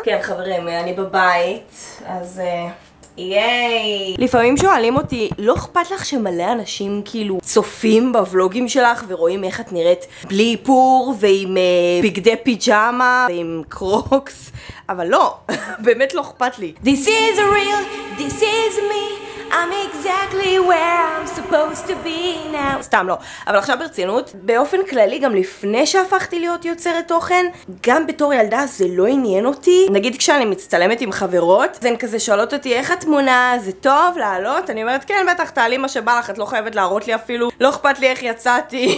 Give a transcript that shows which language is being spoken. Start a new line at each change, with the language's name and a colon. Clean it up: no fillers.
Hebrew: כן, חברים, אני בבית, אז... ייי! לפעמים שואלים אותי, לא אכפת לך שמלא אנשים כאילו צופים בוולוגים שלך ורואים איך את נראית בלי איפור ועם בגדי פיג'אמה ועם קרוקס? אבל לא, באמת לא אכפת לי.
English: This is real, this is me, I'm exactly where I'm supposed to be now.
Hebrew: סתם לא, אבל עכשיו ברצינות, באופן כללי גם לפני שהפכתי להיות יוצרת תוכן, גם בתור ילדה זה לא עניין אותי. נגיד כשאני מצטלמת עם חברות, אז הן כזה שואלות אותי איך התמונה, זה טוב לעלות? אני אומרת כן, בטח תעלי מה שבא לך, את לא חייבת להראות לי אפילו, לא אכפת לי איך יצאתי.